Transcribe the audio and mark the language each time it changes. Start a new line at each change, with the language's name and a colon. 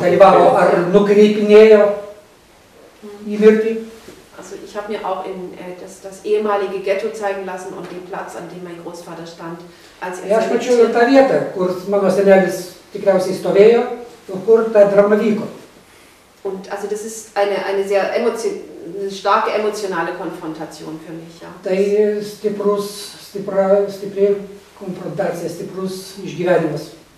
Lithuanian: dalyvavo ar nukreipinėjo. Į mirtį.
German: Also ich habe mir auch in das ehemalige Ghetto zeigen lassen und den Platz, an dem mein Großvater stand, als er selektiert. Ich habe die Stelle, wo mein
Lithuanian: senelis tikriausiai stovėjo
German: und wo
Lithuanian: ta drama vyko.
German: Und also das ist eine sehr eine starke emotionale Konfrontation für mich, ja.
Lithuanian: Tai stipri konfrontacija, stiprus išgyvenimas.